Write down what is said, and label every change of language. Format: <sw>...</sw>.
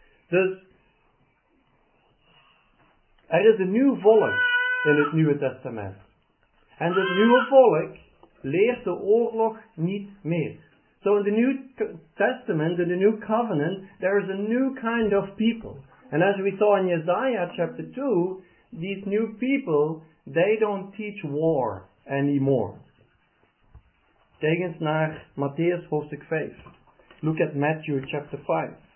<nl>Dus, er is een nieuw volk in het Nieuwe Testament. En het nieuwe volk leert de oorlog niet meer.</nl> <en>So in the New Testament, in the New Covenant, there is a new kind of people. And as we saw in Isaiah chapter 2, these new people, they don't teach war anymore.</en> <nl>Kijk eens naar Matthäus hoofdstuk 5.</nl> <en>Look at Matthew chapter 5.</en>